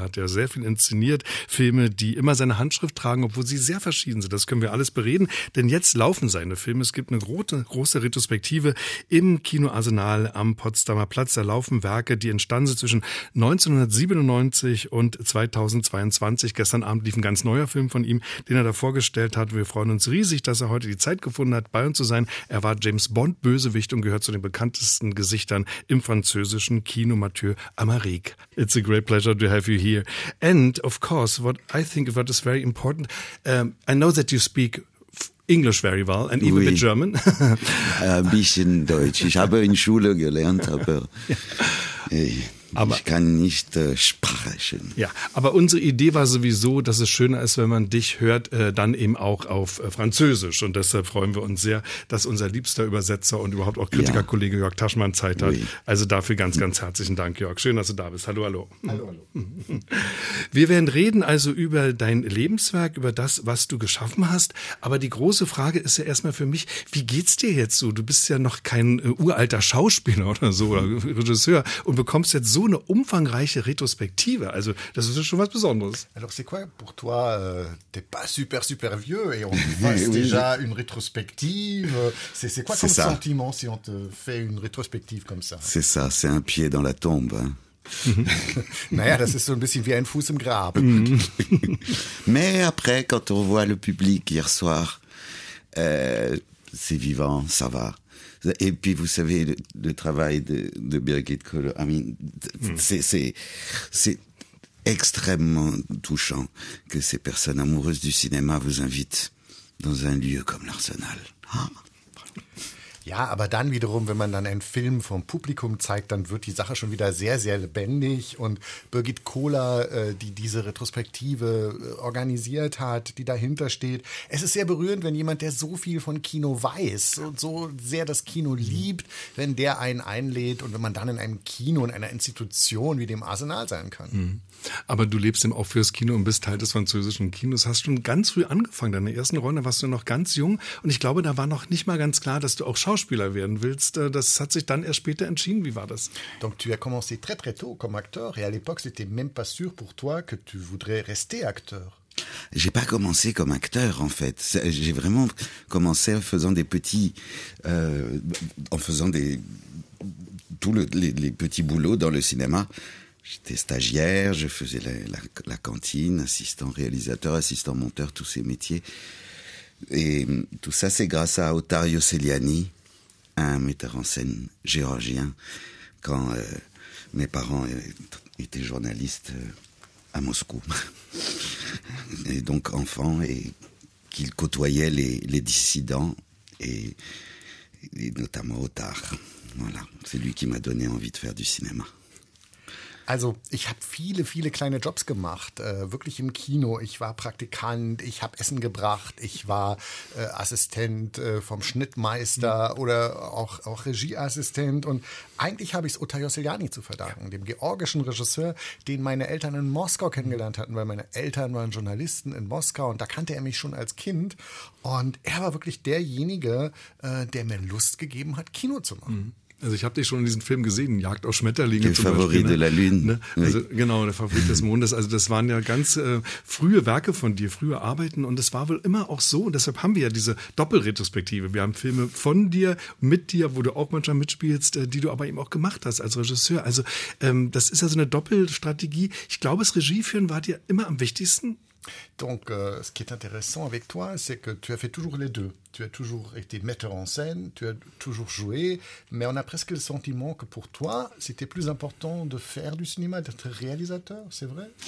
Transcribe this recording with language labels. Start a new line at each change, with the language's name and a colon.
German: Hat er sehr viel inszeniert, Filme, die immer seine Handschrift tragen, obwohl sie sehr verschieden sind. Das können wir alles bereden, denn jetzt laufen seine Filme. Es gibt eine große Retrospektive im Kinoarsenal am Potsdamer Platz. Da laufen Werke, die entstanden sind zwischen 1997 und 2022. Gestern Abend lief ein ganz neuer Film von ihm, den er da vorgestellt hat. Wir freuen uns riesig, dass er heute die Zeit gefunden hat, bei uns zu sein. Er war James Bond Bösewicht und gehört zu den bekanntesten Gesichtern im französischen Kino, Mathieu Amalric.
English: It's a great pleasure to have you here. And of course, what I think about is very important. I know that you speak English very well, and even the German.
German: Ein bisschen Deutsch. Ich habe in Schule gelernt, aber... Aber, ich kann nicht sprechen. Ja, aber unsere Idee war sowieso, dass es schöner ist, wenn man dich hört, dann eben auch auf Französisch. Und deshalb freuen wir uns sehr, dass unser liebster Übersetzer und überhaupt auch Kritikerkollege Jörg Taschmann Zeit hat. Also dafür ganz, ganz herzlichen Dank, Jörg. Schön, dass du da bist. Hallo, hallo. Hallo, hallo. Wir werden reden also über dein Lebenswerk, über das, was du geschaffen hast. Aber die große Frage ist ja erstmal für mich, wie geht's dir jetzt so? Du bist ja noch kein uralter Schauspieler oder so oder Regisseur und bekommst jetzt so eine umfangreiche Retrospektive. Also, das ist schon was Besonderes.
French: Alors, c'est quoi pour toi? T'es pas super, super vieux et on passe déjà une rétrospective. C'est quoi comme sentiment si on te fait une rétrospective comme ça? C'est ça, c'est un pied dans la tombe.
German: Naja, das ist so ein bisschen wie ein Fuß im Grab.
French: Mais après, quand on voit le public hier soir, c'est vivant, ça va. Et puis, vous savez, le travail de Birgit Kohler,
English: I mean,
French: c'est extrêmement touchant que ces personnes amoureuses du cinéma vous invitent dans un lieu comme l'Arsenal.
German: Ja, aber dann wiederum, wenn man dann einen Film vom Publikum zeigt, dann wird die Sache schon wieder sehr, sehr lebendig. Und Birgit Kohler, die diese Retrospektive organisiert hat, die dahinter steht. Es ist sehr berührend, wenn jemand, der so viel von Kino weiß und so sehr das Kino liebt, wenn der einen einlädt und wenn man dann in einem Kino, in einer Institution wie dem Arsenal sein kann. Aber du lebst eben auch fürs Kino und bist Teil des französischen Kinos. Hast schon ganz früh angefangen, deine ersten Rollen, da warst du noch ganz jung. Und ich glaube, da war noch nicht mal ganz klar, dass du auch Schauspieler werden willst. Das hat sich dann erst später entschieden. Wie war das?
French: Donc tu as commencé très très tôt comme acteur et à l'époque c'était même pas sûr pour toi que tu voudrais rester acteur. J'ai pas commencé comme acteur en fait. J'ai vraiment commencé en faisant des petits, en faisant des tous les petits boulots dans le cinéma. J'étais stagiaire, je faisais la cantine, assistant réalisateur, assistant monteur, tous ces métiers. Et tout ça, c'est grâce à Ottario Celiani, un metteur en scène géorgien, quand mes parents étaient journalistes à Moscou. Et donc enfant, et qu'il côtoyait les dissidents, et notamment Ottar. Voilà, c'est lui qui m'a donné envie de faire du cinéma.
German: Also ich habe viele, viele kleine Jobs gemacht, wirklich im Kino. Ich war Praktikant, ich habe Essen gebracht, ich war Assistent vom Schnittmeister oder auch Regieassistent. Und eigentlich habe ich es Ottario Celiani zu verdanken, dem georgischen Regisseur, den meine Eltern in Moskau kennengelernt hatten, weil meine Eltern waren Journalisten in Moskau und da kannte er mich schon als Kind. Und er war wirklich derjenige, der mir Lust gegeben hat, Kino zu machen. Mhm. Also ich habe dich schon in diesem Film gesehen, Jagd auf Schmetterlinge zum Beispiel. Favorit de la Lune. Also genau, der Favorit des Mondes. Also das waren ja ganz frühe Werke von dir, frühe Arbeiten. Und es war wohl immer auch so. Und deshalb haben wir ja diese Doppelretrospektive. Wir haben Filme von dir, mit dir, wo du auch manchmal mitspielst, die du aber eben auch gemacht hast als Regisseur. Also das ist ja so eine Doppelstrategie. Ich glaube, das Regieführen war dir immer am wichtigsten.
French: Donc, ce qui est intéressant avec toi, c'est que tu as fait toujours les deux. Tu as toujours été metteur en scène, tu as toujours joué, mais on a presque le sentiment que pour toi, c'était plus important de faire du cinéma, d'être réalisateur, c'est vrai?